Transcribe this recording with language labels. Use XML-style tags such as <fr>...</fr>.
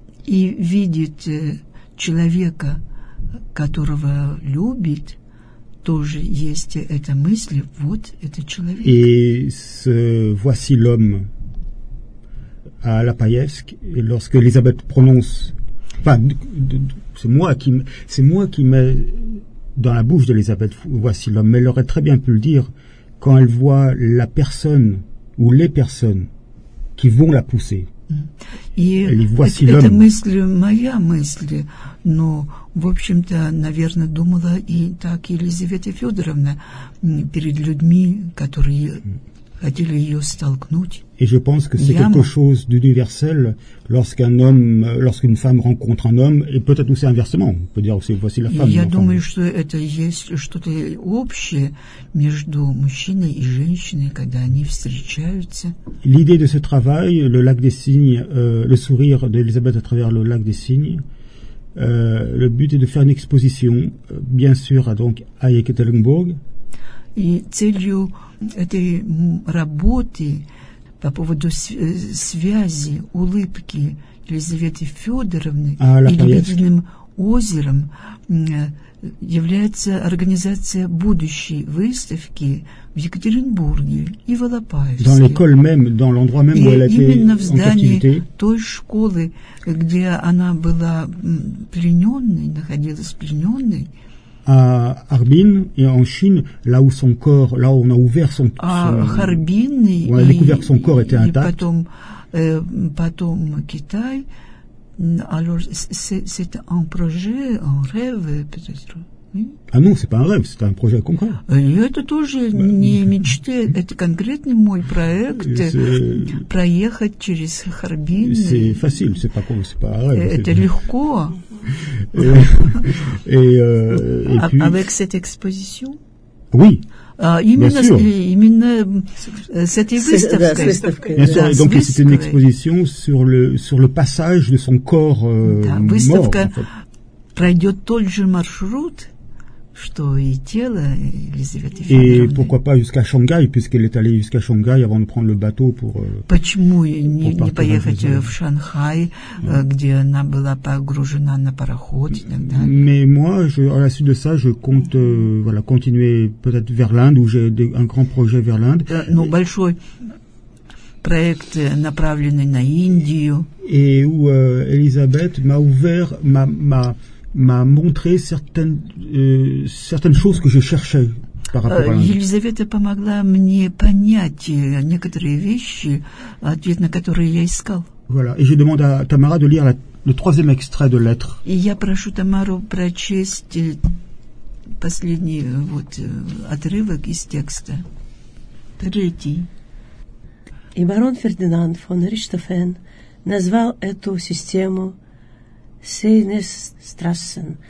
<ru>Et видит человека, которого любит, тоже есть эта мысль: вот этот человек.</ru> <fr>И «voici l'homme» à la Païevsk, lorsque Elisabeth prononce, c'est moi qui mets dans la bouche d'Elisabeth «voici l'homme», mais elle aurait très bien pu le dire quand elle voit la personne ou les personnes qui vont la pousser.</fr> <ru>Это мысль, моя мысль, но, в общем-то, наверное, думала и так Елизавета Федоровна перед людьми, которые хотели ее столкнуть.</ru> <fr>Et je pense que c'est quelque chose d'universel lorsqu'une femme rencontre un homme, et peut-être aussi inversement, on peut dire aussi «voici la femme».</fr> <ru>Я думаю, что это есть что-то общее между мужчиной и женщиной, когда они встречаются.</ru> <fr>L'idée de ce travail, le lac des cygnes, le sourire d'Elisabeth à travers le lac des cygnes, le but est de faire une exposition, bien sûr, donc à Екатеринбург.</fr> <ru>И целью этой работы по поводу связи улыбки Елизаветы Федоровны и Лебединым озером является организация будущей выставки в Екатеринбурге и в Алапаевске.</ru> <fr>Dans l'école même, dans l'endroit même où elle était en captivité.</fr> <ru>Именно в здании той школы, где она была плененной, находилась плененной.</ru> <fr>À Harbin et en Chine, là où son corps, là où on a ouvert son, à Harbin, où on a découvert que son corps était intact.</fr> <ru>Потом, потом Китай.</ru> <fr>Alors, c'est un projet, un rêve, peut-être. Oui. Ah non, c'est pas un rêve, c'est un projet concret.</fr> <ru>Это тоже не мечты, это конкретный мой проект. Проехать через Харбин.</ru> <fr>C'est facile, c'est pas con, c'est pas un rêve.</fr> <ru>Это легко.</ru> <fr>Et puis... Avec cette exposition. Oui.</fr> <ru>Именно, именно с этой выставкой. Да, выставкой.</ru> <fr>Donc, c'était une exposition sur le passage de son corps mort.</fr> <ru>Выставка пройдет тот же маршрут, что и тело Елизаветы Федоровны.</ru> <fr>Et pourquoi pas jusqu'à Shanghai, puisqu'elle est allée jusqu'à Shanghai avant de prendre le bateau pour.</fr> <ru>Почему не поехать в Шанхай, где она была погружена на пароход и так далее?</ru> <fr>Mais moi, à la suite de ça, je compte voilà continuer peut-être vers l'Inde, où j'ai un grand projet vers l'Inde.</fr> <ru>Ну, большой проект, направленный на Индию.</ru> <fr>Et où Elisabeth m'a ouvert m'a montré certaines choses que je cherchais par rapport à l'Inde.</fr> <ru>Елизавета помогла мне понять некоторые вещи, ответ на которые я искал.</ru> <fr>Voilà, et j'ai demandé à Tamara de lire le troisième extrait de lettre.</fr> <ru>И я прошу Тамару прочесть последний вот отрывок из текста. Третий. И барон Фердинанд фон Ричтофен назвал эту систему Сейденстрассен.</ru>